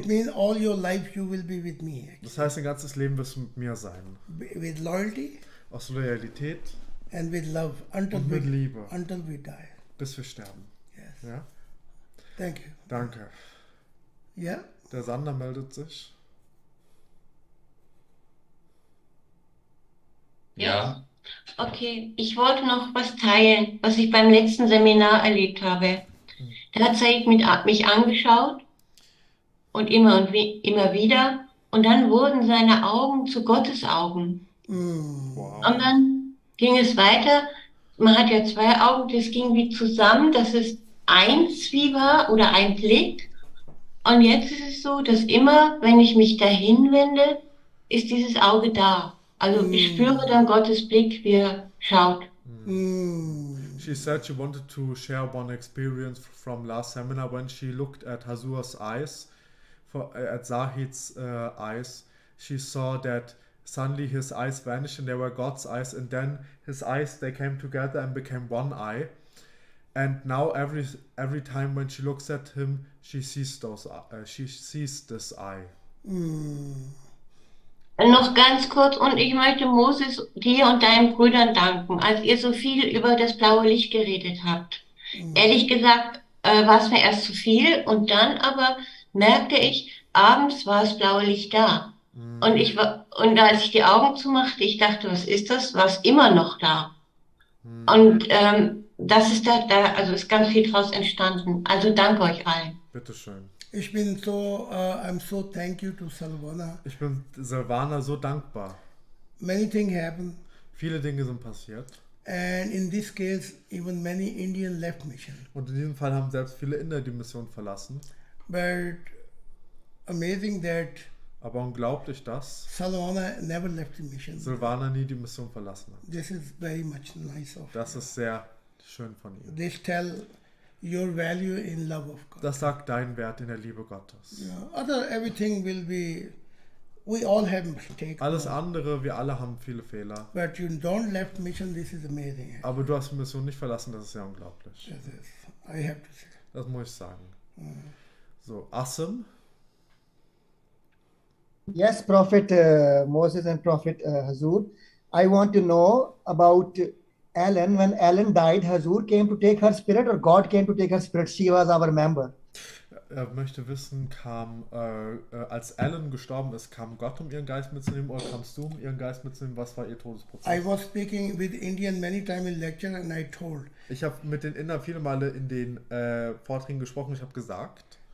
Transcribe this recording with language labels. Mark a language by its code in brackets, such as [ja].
[en] It means all your life you will be with me. Actually. [de] Das heißt, dein ganzes Leben wirst du mit mir sein. [en] With loyalty. [de] Aus Loyalität. [en] And with love until [de] mit Liebe, [en] until we die. [de] Bis wir sterben. [en] Yes. [de] Ja? [en] Thank you. [de] Danke. [en] Yeah? [de] Der Sander meldet sich. Ja. Okay, ich wollte noch was teilen, was ich beim letzten Seminar erlebt habe. Da hat Zeit mich angeschaut und immer wieder. Und dann wurden seine Augen zu Gottes Augen. Wow. Und dann ging es weiter, man hat ja zwei Augen, das ging wie zusammen, dass es eins wie war oder ein Blick. Und jetzt ist es so, dass immer, wenn ich mich dahin wende, ist dieses Auge da. Also ich spüre dann Gottes Blick, wie er schaut. [en] She said she wanted to share one experience from last seminar, when she looked at Hazur's eyes, at Zahid's eyes, she saw that suddenly his eyes vanished and they were God's eyes, and then his eyes, they came together and became one eye. And now every time when she looks at him, she sees this eye. Mm. [de] Noch ganz kurz, und ich möchte Moses dir und deinen Brüdern danken, als ihr so viel über das blaue Licht geredet habt. Ehrlich gesagt, war es mir erst zu viel, und dann aber merkte ich, abends war das blaue Licht da. Und ich war, und als ich die Augen zumachte, ich dachte, was ist das? War es immer noch da? Und das ist da, also ist ganz viel draus entstanden. Also danke euch allen. Bitte schön. Ich bin so, [en] I'm so thank you to Silvana. [de] Ich bin Silvana so dankbar. [en] Many things happened. [de] Viele Dinge sind passiert. [en] And in this case, even many Indian left mission. [de] Und in diesem Fall haben selbst viele Inder die Mission verlassen. [en] But amazing that. [de] Aber unglaublich, dass [en] Silvana never left the mission. [de] Silvana nie die Mission verlassen hat. [en] This is very much nice of. [de] Das ist sehr schön von ihr. [en] They tell. Your value in love of God. [de] Das sagt dein Wert in der Liebe Gottes. [en] Yeah. Other everything will be, we all have mistakes. [de] Alles andere, wir alle haben viele Fehler. [en] But you don't left mission, this is amazing. [de] Aber du hast die Mission nicht verlassen, das ist ja unglaublich. [en] Yes, I have to say. [de] Das muss ich sagen. So, Asim. [en] Yes, Prophet Moses and Prophet Hazur. I want to know about Ellen, when Ellen died, Hazur came to take her spirit, or God came to take her spirit? She was our member. [de] Er möchte wissen, kam, als Ellen gestorben ist, kam Gott, um ihren Geist mitzunehmen, oder kamst du, um ihren Geist mitzunehmen? Was war ihr Todesprozess? [en] I was speaking with Indian many times in lecture, and I told. [de] Ich habe mit den Indern viele Male in den Vorträgen gesprochen, ich habe gesagt.